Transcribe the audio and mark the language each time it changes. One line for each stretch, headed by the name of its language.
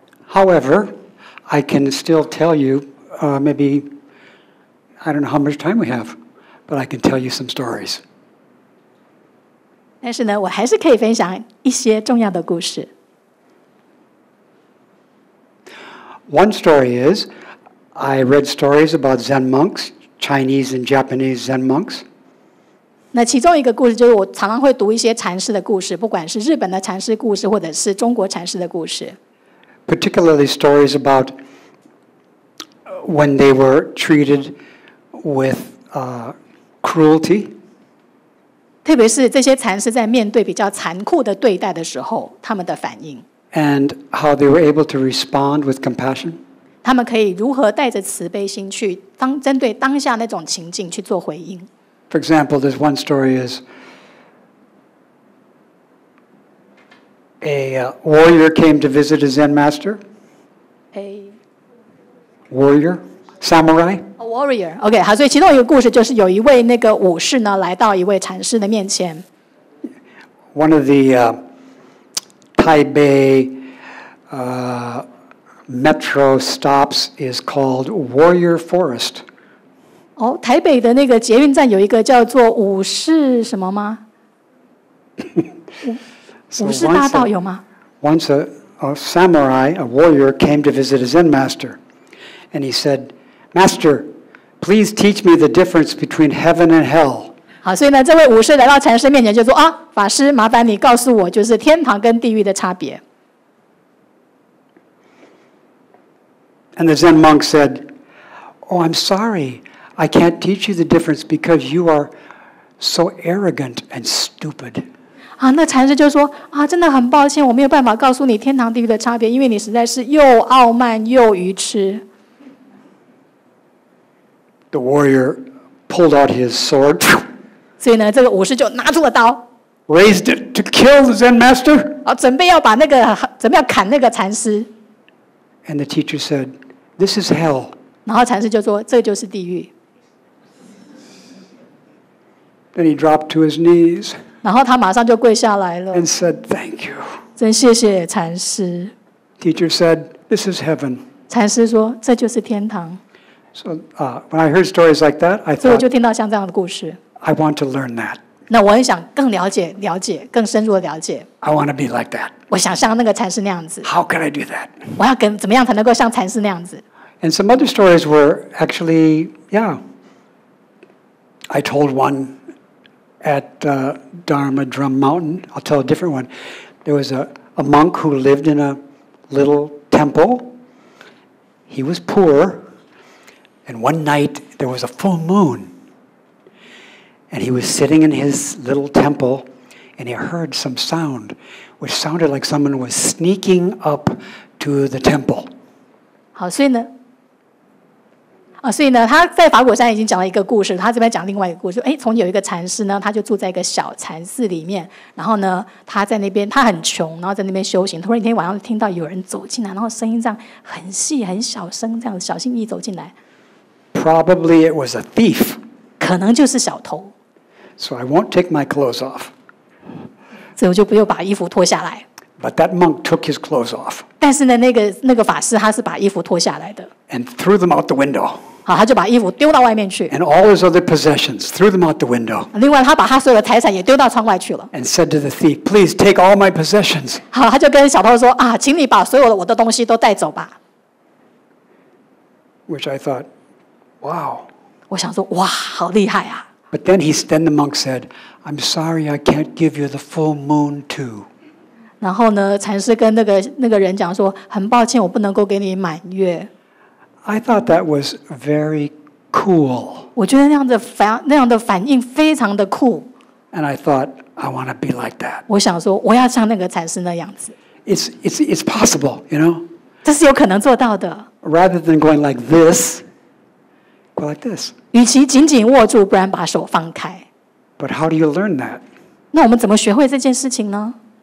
English: However, I can still tell you, maybe I don't know how much time we have, but I can tell you some stories.
Chinese: 但是呢，我还是可以分享一些重要的故事。
English: One story is, I read stories about Zen monks, Chinese and Japanese Zen monks.
Chinese: 那其中一个故事就是我常常会读一些禅师的故事，不管是日本的禅师故事，或者是中国禅师的故事。
English: Particularly stories about when they were treated with cruelty.
Chinese: 特别是这些禅师在面对比较残酷的对待的时候，他们的反应。
English: And how they were able to respond with compassion.
Chinese: 他们可以如何带着慈悲心去当针对当下那种情境去做回应。
English: For example, there's one story is a warrior came to visit a Zen master. A warrior, samurai. A warrior.
Chinese: Okay, 好，所以其中一个故事就是有一位那个武士呢来到一位禅师的面前。
English: One of the Taipei metro stops is called Warrior Forest.
Chinese: 哦，台北的那个捷运站有一个叫做武士什么吗？武士大道有吗
English: ？Once a samurai, a warrior came to visit a Zen master, and he said, "Master, please teach me the difference between heaven and hell."
Chinese: 好，所以呢，这位武士来到禅师面前就说啊。法师，麻烦你告诉我，就是天堂跟地狱的差别。
English: And the Zen monk said, "Oh, I'm sorry, I can't teach you the difference because you are so arrogant and stupid."
Chinese: 啊，那禅师就说啊，真的很抱歉，我没有办法告诉你天堂地狱的差别，因为你实在是又傲慢又愚痴。
English: The warrior pulled out his sword.
Chinese: 所以呢，这个武士就拿出了刀。
English: Raised it to kill the Zen master.
Chinese: 哦，准备要把那个，准备要砍那个禅师。
English: And the teacher said, "This is hell."
Chinese: 然后禅师就说，这就是地狱。
English: Then he dropped to his knees.
Chinese: 然后他马上就跪下来了。
English: And said, "Thank you."
Chinese: 真谢谢禅师。
English: Teacher said, "This is heaven."
Chinese: 禅师说，这就是天堂。
English: So, when I heard stories like that, I thought.
Chinese: 所以我就听到像这样的故事。
English: I want to learn that.
Chinese: 那我很想更了解、了解、更深入的了解。
English: I want to be like that.
Chinese: 我想像那个禅师那样子。
English: How can I do that?
Chinese: 我要跟怎么样才能够像禅师那样子
English: ？And some other stories were actually, yeah. I told one at Dharma Drum Mountain. I'll tell a different one. There was a monk who lived in a little temple. He was poor, and one night there was a full moon. And he was sitting in his little temple, and he heard some sound, which sounded like someone was sneaking up to the temple.
Chinese: 好，所以呢，啊，所以呢，他在法果山已经讲了一个故事，他这边讲另外一个故事。哎，从有一个禅师呢，他就住在一个小禅寺里面，然后呢，他在那边他很穷，然后在那边修行。突然一天晚上，听到有人走进来，然后声音这样很细很小声，这样小心翼翼走进来。
English: Probably it was a thief.
Chinese: 可能就是小偷。
English: So I won't take my clothes off.
Chinese: 所以我就不用把衣服脱下来。
English: But that monk took his clothes off.
Chinese: 但是呢，那个法师他是把衣服脱下来的。
English: And threw them out the window.
Chinese: 好，他就把衣服丢到外面去。
English: And all his other possessions threw them out the window.
Chinese: 另外，他把他所有的财产也丢到窗外去了。
English: And said to the thief, "Please take all my possessions."
Chinese: 好，他就跟小偷说啊，请你把所有的我的东西都带走吧。
English: Which I thought, wow.
Chinese: 我想说，哇，好厉害啊
English: ！But then then the monk said, "I'm sorry, I can't give you the full moon too."
Chinese: 然后呢，禅师跟那个人讲说，很抱歉，我不能够给你满月。
English: I thought that was very cool.
Chinese: 我觉得那样的反应非常的酷。
English: And I thought, I want to be like that.
Chinese: 我想说，我要像那个禅师那样子。
English: It's possible, you know.
Chinese: 这是有可能做到的。
English: Rather than going like this. Like this.
Chinese: 与其紧紧握住，不然把手放开。
English: But how do you learn that?
Chinese: 那我们怎么学会这件事情呢